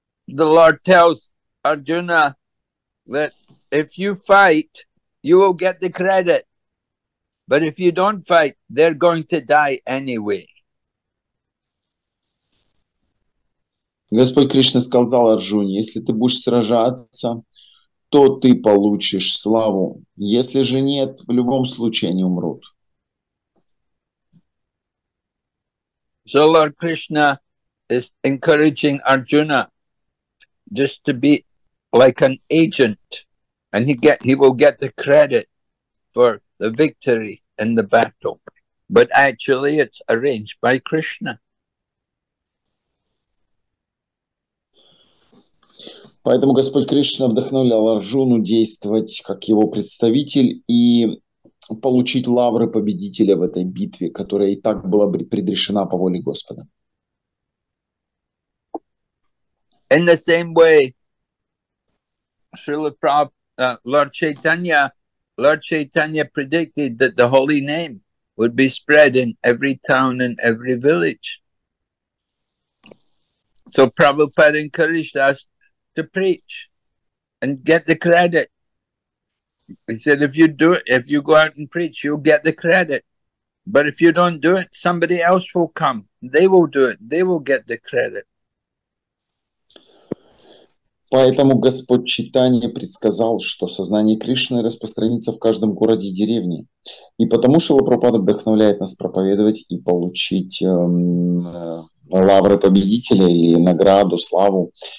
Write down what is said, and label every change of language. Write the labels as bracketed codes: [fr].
[en] The Lord tells Arjuna that if you fight, you will get the credit. But if you don't fight, they're going to die anyway. [ru] Господь Кришна сказал Арджуне, если ты будешь сражаться, то ты получишь славу. Если же нет, в любом случае они умрут. [en] So Lord Krishna is encouraging Arjuna just to be like an agent, and he will get the credit for the victory in the battle. But actually, it's arranged by Krishna. [ru] Поэтому Господь Кришна вдохновлял Арджуну действовать как его представитель и получить лавры победителя в этой битве, которая и так была предрешена по воле Господа. [en] In the same way, Srila Prabhupada, Lord Chaitanya predicted that the holy name would be spread in every town and every village. So Prabhupada encouraged us to preach and get the credit. He said, if you do it, if you go out and preach, you'll get the credit. But if you don't do it, somebody else will come. They will do it. They will get the credit. [ru] Поэтому Господь Читания предсказал, что сознание Кришны распространится в каждом городе и деревне. И потому Шрила Прабхупада вдохновляет нас проповедовать и получить лавры победителя и награду, славу.